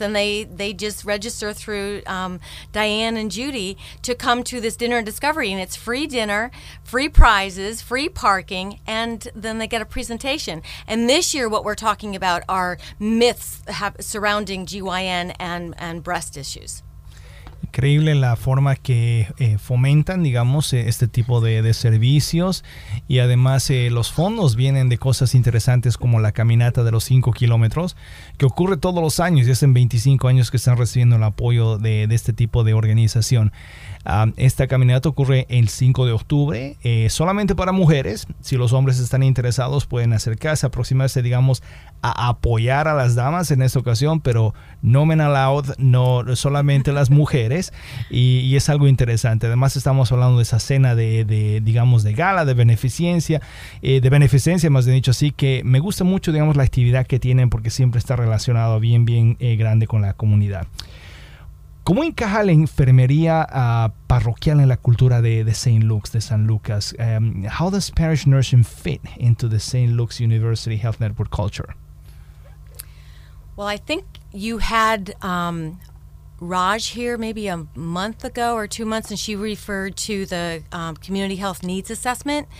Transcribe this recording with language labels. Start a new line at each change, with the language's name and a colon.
English: And they just register through Diane and Judy to come to this dinner and discovery. And it's free dinner. Free prizes, free parking, and then they get a presentation. And this year, what we're talking about are myths surrounding GYN and breast issues.
Spanish: Increíble la forma que fomentan, digamos, este tipo de servicios. Y además los fondos vienen de cosas interesantes como la caminata de los 5 kilómetros, que ocurre todos los años. Ya hacen 25 años que están recibiendo el apoyo de este tipo de organización. Esta caminata ocurre el 5 de octubre, solamente para mujeres. Si los hombres están interesados, pueden acercarse, aproximarse, digamos, a apoyar a las damas en esta ocasión, pero
English: no men allowed,
Spanish: no solamente las mujeres, y es algo interesante. Además, estamos hablando de esa cena de gala, de beneficencia, más bien dicho. Así que me gusta mucho, digamos, la actividad que tienen, porque siempre está relacionado bien, bien grande con la comunidad. ¿Cómo encaja la enfermería parroquial en la cultura de St. Luke's, de San Lucas?
English: How does parish nursing fit into the St. Luke's University Health Network culture? Well, I think you had Raj here maybe a month ago or 2 months, and she referred to the community health needs assessment.